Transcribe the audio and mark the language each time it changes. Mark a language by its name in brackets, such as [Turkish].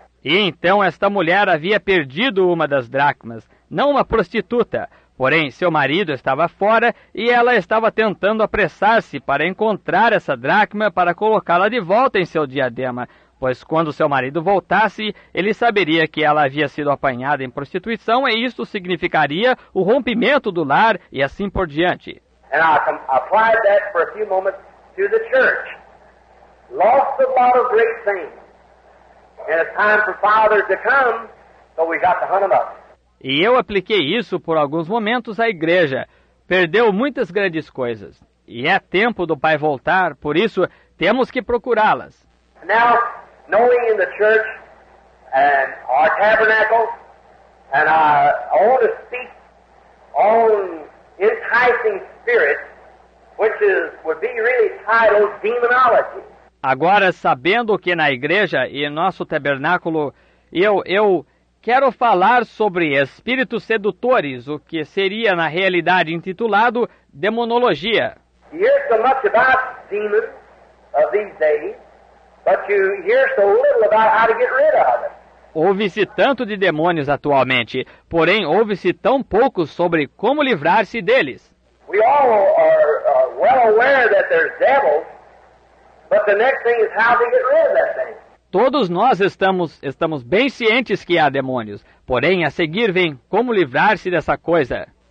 [Portuguese] E então esta mulher havia perdido uma das dracmas, não uma prostituta, porém seu marido estava fora e ela estava tentando apressar-se para encontrar essa dracma para colocá-la de volta em seu diadema, pois quando seu marido voltasse, ele saberia que ela havia sido apanhada em prostituição e isto significaria o rompimento do lar e assim por diante. [English] And I applied that for a few moments to the church. Lost a lot of great things. And it's time for fathers to come, so we got to hunt them up. [Portuguese] E eu apliquei isso por alguns momentos à igreja. Perdeu muitas grandes coisas. E é tempo do pai voltar, por isso temos que procurá-las. [English] Now, knowing in the church and our tabernacle, and I want to speak on enticing spirits, which would be really titled demonology. [Portuguese] Agora, sabendo que na igreja e em nosso tabernáculo, eu quero falar sobre espíritos sedutores, o que seria na realidade intitulado demonologia. [English] You hear so much about demons of these days. But you hear so little about how to get rid of it. [Portuguese] Ouve-se tanto de demônios atualmente, porém ouve-se tão pouco sobre como livrar-se deles. [English] We all are well aware that there's devils, but the next thing is how to get rid of that thing. [Portuguese] Todos nós estamos bem cientes que há demônios, porém a seguir vem como livrar-se dessa coisa.